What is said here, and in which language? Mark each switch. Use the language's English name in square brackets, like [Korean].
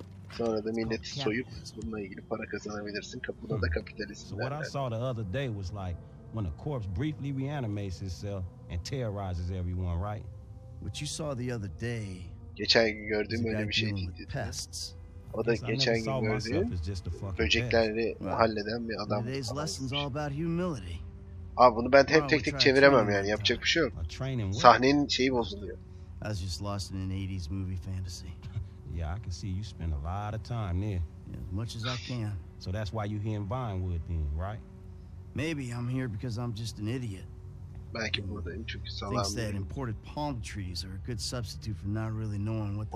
[Turkish] Sonra da milleti soyup bununla ilgili para kazanabilirsin. Kapıda da kapitalizm. [English] What I saw the other day was like when a corpse briefly reanimates itself and terrorizes everyone, right? What you saw the other day. [Turkish] Geçen gün gördüğüm öyle bir şey değildi. O da geçen gün gördüğüm böcekleri halleden bir adam. [English] These lessons all about humility. [Turkish] Abi bunu ben hep tek tek çeviremem yani yapacak bir şey yok. Sahnenin şeyi bozuluyor. [English] As just lost in an 80s movie fantasy. Yeah, I can see you spend a lot of time there. Yeah, as much as I can. So that's why you're here in Vinewood then, right? Maybe I'm here because I'm just an idiot. [Turkish] Belki buradayım çünkü salam. [English] Thinks that imported palm trees are a good substitute for not really knowing what the